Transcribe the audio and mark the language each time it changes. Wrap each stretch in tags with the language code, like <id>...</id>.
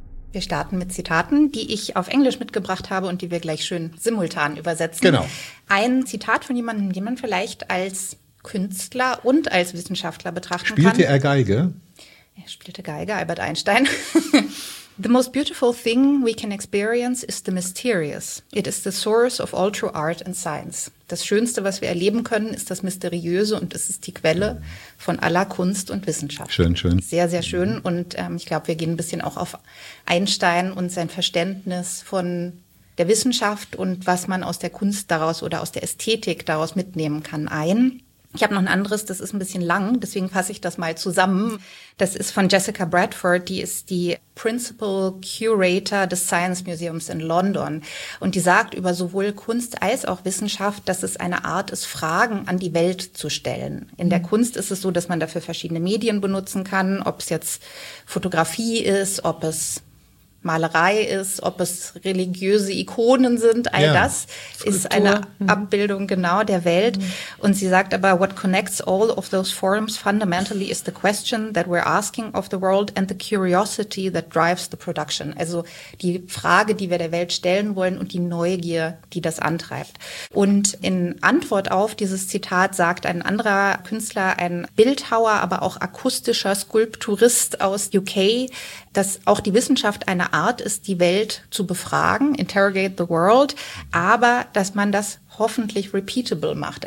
<de>Wir starten mit Zitaten, die ich auf Englisch mitgebracht habe und die wir gleich schön simultan übersetzen. Genau. Ein Zitat von jemandem, den man vielleicht als Künstler und als Wissenschaftler betrachten spielte kann. Spielte er Geige? Er spielte Geige, Albert Einstein.</de> <en>The most beautiful thing we can experience is the mysterious. It is the source of all true art and science.</en> <de>Das Schönste, was wir erleben können, ist das Mysteriöse und es ist die Quelle von aller Kunst und Wissenschaft. Schön, schön. Sehr, sehr schön. Und ich glaube, wir gehen ein bisschen auch auf Einstein und sein Verständnis von der Wissenschaft und was man aus der Kunst daraus oder aus der Ästhetik daraus mitnehmen kann ein. Ich habe noch ein anderes, das ist ein bisschen lang, deswegen fasse ich das mal zusammen. Das ist von Jessica Bradford, die ist die Principal Curator des Science Museums in London. Und die sagt über sowohl Kunst als auch Wissenschaft, dass es eine Art ist, Fragen an die Welt zu stellen. In der Kunst ist es so, dass man dafür verschiedene Medien benutzen kann, ob es jetzt Fotografie ist, ob es Malerei ist, ob es religiöse Ikonen sind, all das Skulptur. Ist eine Abbildung genau der Welt. Und sie sagt aber,</de> <en>what connects all of those forms fundamentally is the question that we're asking of the world and the curiosity that drives the production.</en> <de>Also die Frage, die wir der Welt stellen wollen und die Neugier, die das antreibt. Und in Antwort auf dieses Zitat sagt ein anderer Künstler, ein Bildhauer, aber auch akustischer Skulpturist aus UK, dass auch die Wissenschaft eine Art ist, die Welt zu befragen,</de> <en>interrogate the world,</en> <de>aber dass man das hoffentlich repeatable macht.</de>